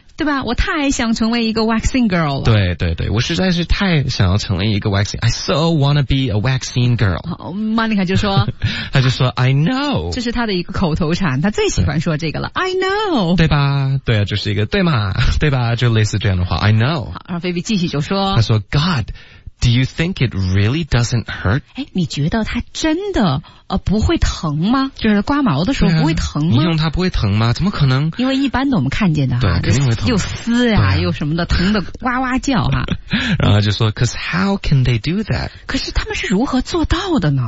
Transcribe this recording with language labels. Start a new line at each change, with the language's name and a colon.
Chinese: 对吧？我太想成为一个
English: waxing girl
Chinese: 了。对对对，我实在是太想要成为一个 waxing。
English: I so wanna be a waxing girl。
Chinese: Monica 就说，他就说
English: I know。
Chinese: 这是他的一个口头禅，他最喜欢说这个了。
English: I know。
Chinese: 对吧？对啊，就是一个对嘛，对吧？就类似这样的话。
English: I know。
Chinese: 好，然后 Phoebe 继续就说，他说
English: God， do you think it really doesn't hurt？
Chinese: 哎，你觉得它真的不会疼吗？就是刮毛的时候不会疼吗？你用它不会疼吗？怎么可能？因为一般的我们看见的哈，对，肯定会疼，又撕呀、啊，又什么的，疼的哇哇叫哈、
English: 啊。
Chinese: 然后就说
English: ，Cause how can they do that？
Chinese: 可是他们是如何做到的呢？